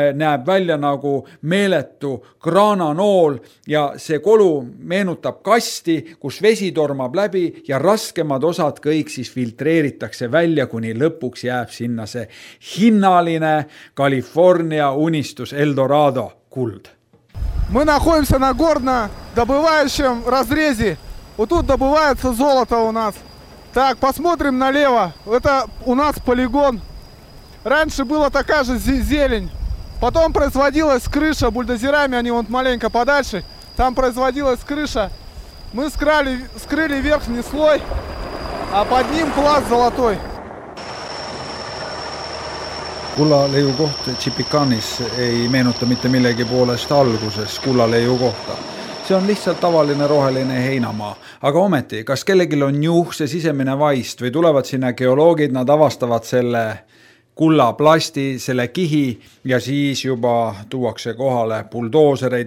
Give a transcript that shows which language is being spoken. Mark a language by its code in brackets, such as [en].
[et] näeb välja nagu meeletu kraananool ja see kolu meenutab kasti, kus vesi tormab läbi ja raskemad osad kõik siis filtreeritakse välja, kuni lõpuks jääb sinna see hinnaline Kalifornia unistus Eldorado kuld. [ru] Мы находимся на горнодобывающем разрезе. Вот тут добывается золото у нас. Так, посмотрим налево. Это у нас полигон. Раньше была такая же зелень. Потом производилась крыша бульдозерами, они вот маленько подальше. Там производилась крыша. Мы скрыли верхний слой, а под ним пласт золотой. [et] Kulla leiu koht Chipicanis ei meenuta mitte millegi poolest alguses kulla leiu kohta. See on lihtsalt tavaline roheline heinamaa. Aga ometi, kas kellegil on juhse sisemine vaist või tulevad sinna geoloogid, nad avastavad selle kulla plasti, selle kihi ja siis juba tuuakse kohale buldoosereid.